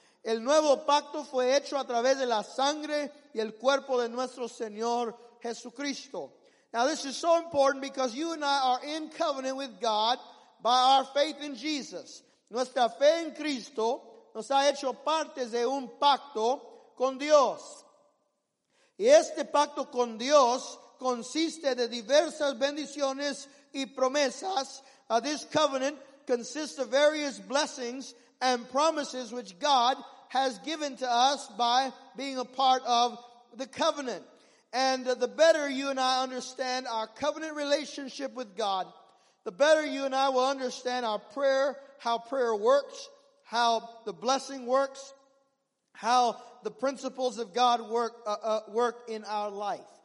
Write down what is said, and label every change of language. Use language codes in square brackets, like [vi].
[es] El nuevo pacto fue hecho a través de la sangre y el cuerpo de nuestro Señor Jesucristo. [en] Now this is so important because you and I are in covenant with God by our faith in Jesus. [es] Nuestra fe en Cristo nos ha hecho parte de un pacto con Dios. Y este pacto con Dios consiste de diversas bendiciones y promesas. [en] This covenant consists of various blessings and promises which God has given to us by being a part of the covenant. And the better you and I understand our covenant relationship with God, the better you and I will understand our prayer, how prayer works, how the blessing works, how the principles of God work in our life.